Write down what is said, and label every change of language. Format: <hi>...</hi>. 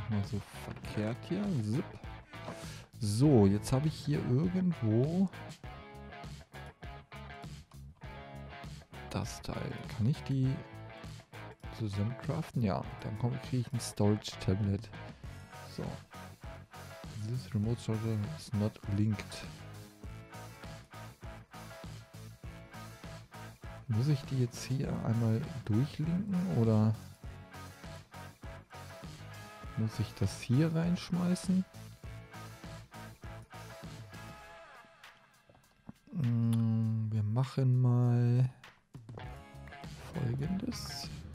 <de>So verkehrt hier. Zip. So, jetzt habe ich hier irgendwo das Teil. Kann ich die zusammen craften? Ja, dann kriege ich ein Storage Tablet. So.</de> <en>This remote charger is not linked.</en> <de>Muss ich die jetzt hier einmal durchlinken oder muss ich das hier reinschmeißen? Wir machen mal Folgendes.</de>